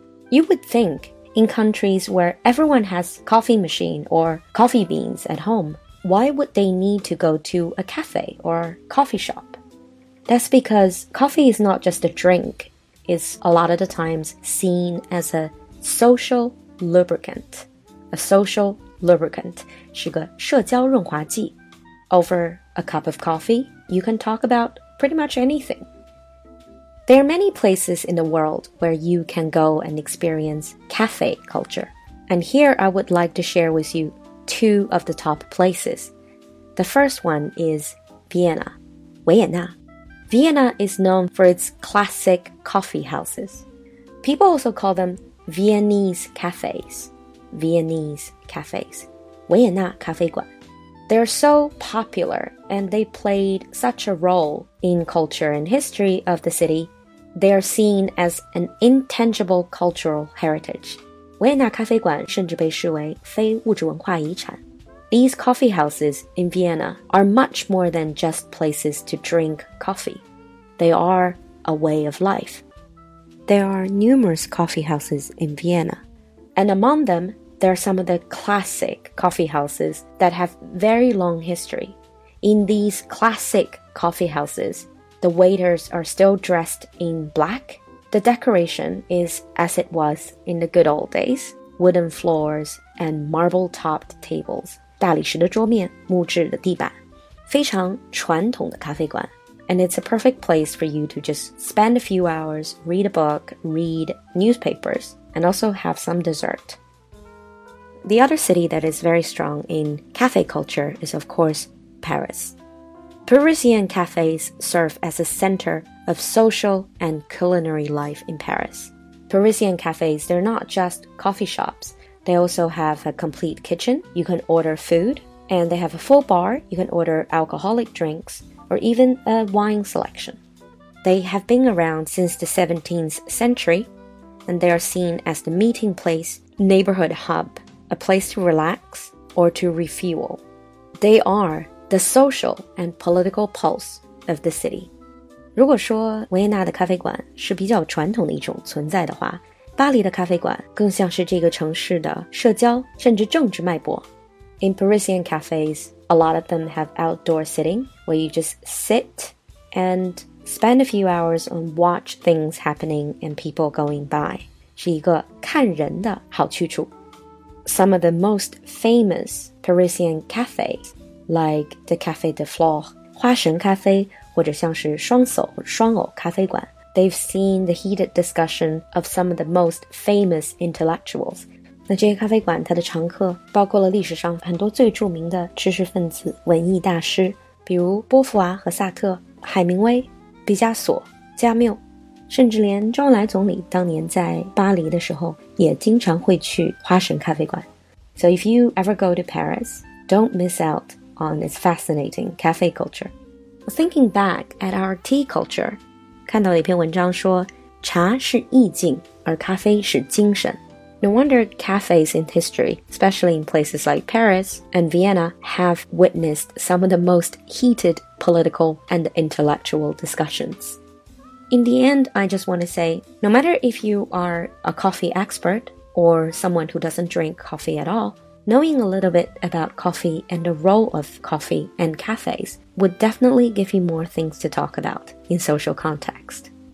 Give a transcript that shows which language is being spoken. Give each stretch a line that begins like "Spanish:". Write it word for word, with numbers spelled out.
English: You would think in countries where everyone has coffee machine or coffee beans at home, why would they need to go to a cafe or coffee shop? That's because coffee is not just a drink. It's a lot of the times seen as a social lubricant. A social lubricant
Chinese: 是个社交润滑剂。
English: Over a cup of coffee, you can talk about pretty much anything. There are many places in the world where you can go and experience cafe culture. And here I would like to share with you two of the top places. The first one is Vienna, 维也纳。 Vienna is known for its classic coffee houses. People also call them Viennese cafes. Viennese cafes.
Chinese: 维也纳咖啡馆。
English: They're so popular and they played such a role in culture and history of the city. They are seen as an intangible cultural heritage.
Chinese: 维也纳咖啡馆甚至被视为非物质文化遗产。
English: These coffee houses in Vienna are much more than just places to drink coffee. They are a way of life. There are numerous coffee houses in Vienna, and among them, there are some of the classic coffee houses that have very long history. In these classic coffee houses, the waiters are still dressed in black. The decoration is as it was in the good old days, wooden floors and marble-topped tables.
Chinese: 大理石的桌面，木质的地板，非常传统的咖啡馆。
English: And it's a perfect place for you to just spend a few hours, read a book, read newspapers, and also have some dessert. The other city that is very strong in cafe culture is, of course, Paris. Parisian cafes serve as a center of social and culinary life in Paris. Parisian cafes, they're not just coffee shops. They also have a complete kitchen. You can order food, and they have a full bar. You can order alcoholic drinks or even a wine selection. They have been around since the seventeenth century, and they are seen as the meeting place, neighborhood hub, a place to relax or to refuel. They are the social and political pulse of the city.
Chinese: 如果说维也纳的咖啡馆是比较传统的一种存在的话，巴黎的咖啡馆更像是这个城市的社交甚至政治脉搏。
English: In Parisian cafes, a lot of them have outdoor sitting, where you just sit and spend a few hours and watch things happening and people going by.
Chinese: 是一个看人的好去处。
English: Some of the most famous Parisian cafes, like the Café de Flore,
Chinese: 花神咖啡，或者像是双叟双偶咖啡馆。
English: They've seen the heated discussion of some of the most famous intellectuals.
Chinese: 那这些咖啡馆它的常客包括了历史上很多最著名的知识分子、文艺大师，比如波伏娃和萨特、海明威、毕加索、加缪，甚至连周恩来总理当年在巴黎的时候也经常会去花神咖啡馆。
English: So if you ever go to Paris, don't miss out on its fascinating cafe culture. Thinking back at our tea culture,
Chinese: 看到一篇文章说，茶是意境，而咖啡是精神。
English: No wonder cafes in history, especially in places like Paris and Vienna, have witnessed some of the most heated political and intellectual discussions. In the end, I just want to say, no matter if you are a coffee expert or someone who doesn't drink coffee at all, knowing a little bit about coffee and the role of coffee and cafes would definitely give you more things to talk about in social context.